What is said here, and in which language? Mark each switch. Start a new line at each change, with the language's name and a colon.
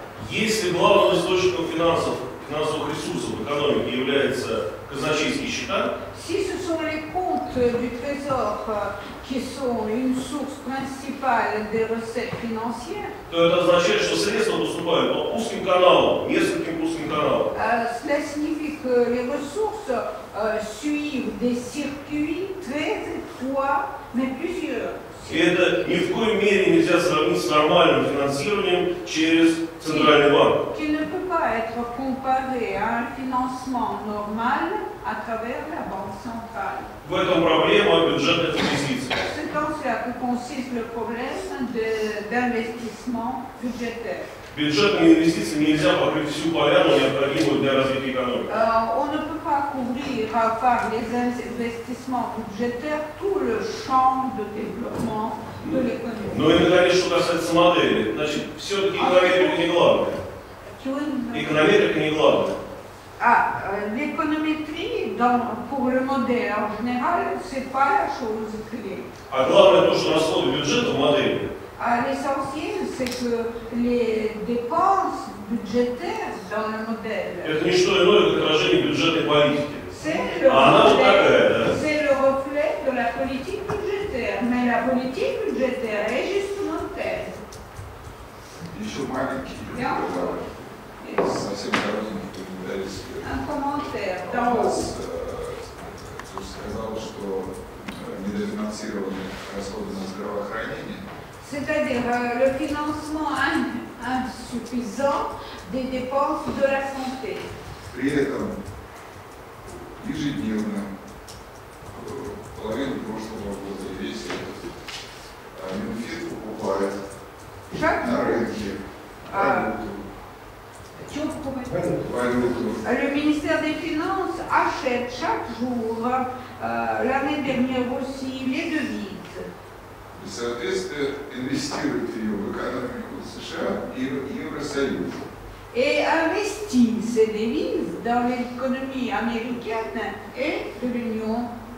Russian: Если главным источником финансов, финансовых ресурсов экономики является казначейские счета,
French: si ce sont les comptes du trésor qui sont une source principale des recettes financières,
Russian: то это означает, что средства поступают по узким каналам, нескольким узким каналам.
French: Cela signifie que les ressources suivent des circuits très étroits, mais plusieurs.
Russian: И это ни в коей мере нельзя сравнить с нормальным финансированием через центральный банк.
French: Qui ne peut pas être comparé à un financement normal à travers la banque.
Russian: В этом проблема бюджетных инвестиций.
French: C'est dans cela que consiste le problème d'investissement budgétaire.
Russian: Бюджетные инвестиции нельзя покрыть всю поляну, необходимую для развития экономики.
French: On ne peut pas couvrir par les investissements budgétaires tout le champ de développement de l'économie.
Russian: Но иногда лишь что касается модели, значит, все-таки экономика не главная. Экономика не главная.
French: L'économétrie pour le modèle en général, c'est pas la chose clé.
Russian: А главное то, что расходы бюджета в модели.
French: L'essentiel, c'est que les dépenses budgétaires dans le modèle.
Russian: Это не что иное, как отражение бюджетной политики.
French: C'est le reflet de la politique budgétaire, mais la politique budgétaire est justement telle.
Russian: Еще маленький.
French: Un commentaire.
Russian: Ты сказал, что недофинансированы расходы на здравоохранение.
French: C'est-à-dire le financement insuffisant des dépenses de la santé.
Russian: При этом ежедневно половину прошлого года весь Минфин покупает на рынке валюту.
French: Le ministère des Finances achète chaque jour, l'année dernière aussi, les devises. Et investit ces devises dans l'économie américaine et de l'Union